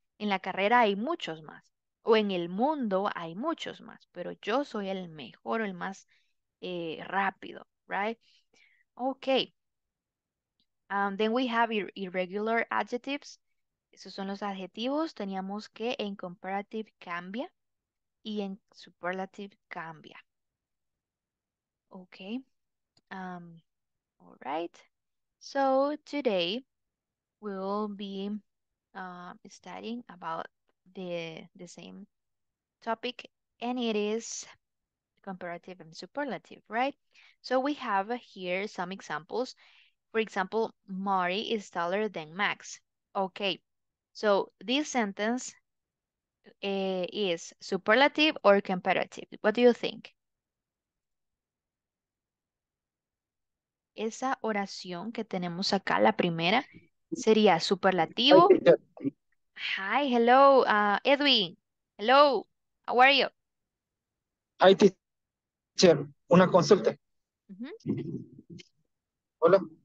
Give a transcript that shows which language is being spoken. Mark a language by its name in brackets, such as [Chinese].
[Spanish] En la carrera hay muchos más. O en el mundo hay muchos más, pero yo soy el mejor, el más rápido, right? Okay. [English] Then we have irregular adjectives. [Spanish] Esos son los adjetivos. Teníamos que en comparative cambia y en superlative cambia. [English] Okay. All right. So today we'll be studying about the same topic, and it is comparative and superlative, right? So we have here some examples. For example, Mari is taller than Max. Okay, so this sentence is superlative or comparative? What do you think? [Spanish] Esa oración que tenemos acá, la primera, sería superlativo. [English] Hi, hello, Edwin. Hello, how are you? Hi, teacher. [Spanish] Una consulta. Mm-hmm. Hola.